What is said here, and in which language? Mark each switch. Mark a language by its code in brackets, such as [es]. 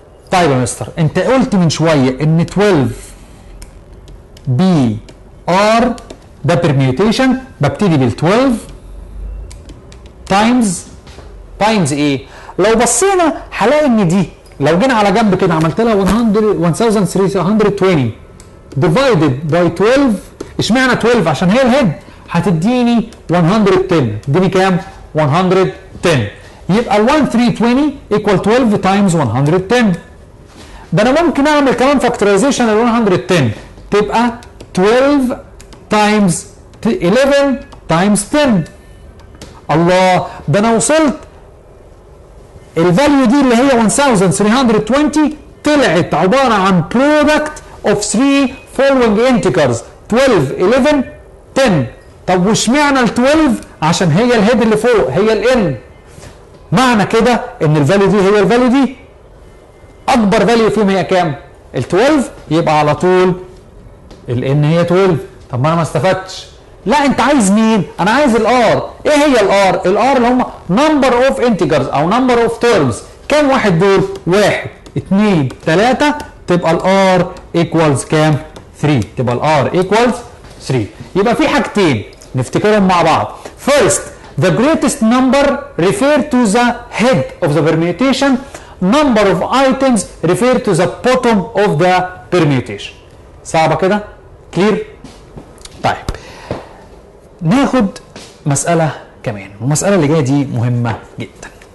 [ar] طيب يا مستر، انت قلت من شوية ان 12 BR ده permutation، ببتدي بال 12 times times A. لو بصينا هلاقي ان دي لو جينا على جنب كده عملت لها 1320 divided by 12. اشمعنى 12؟ عشان هي الهيد، هتديني 110. اديني كام؟ 110. يبقى 1320 equal 12 times 110. ده انا ممكن اعمل كمان فاكتورايزيشن ال 110 تبقى 12 times 11 times 10. الله، ده انا وصلت الفاليو دي اللي هي 1320 طلعت عباره عن [en] product of 3 following integers [ar] 12 11 10. طب وش معنى ال 12؟ عشان هي الهيد اللي فوق، هي ال N. معنى كده ان الفاليو دي هي الفاليو دي، اكبر فاليو فيهم هي كام؟ ال 12. يبقى على طول ال N هي 12. طب ما انا ما استفدتش. لا انت عايز مين؟ انا عايز ال R. ايه هي ال R؟ ال R اللي هم [en] number of integers [ar] او [en] number of terms. [ar] كام واحد دول؟ 1 2 3. تبقى ال R equals كام؟ 3. تبقى ال R equals 3. يبقى في حاجتين نفتكرهم مع بعض. [en] First, the greatest number refer to the head of the permutation. Number of items refer to the bottom of the permutation. [ar] صعبة كده؟ Clear؟ طيب ناخد مسألة كمان، المسألة اللي جاية دي مهمة جدا.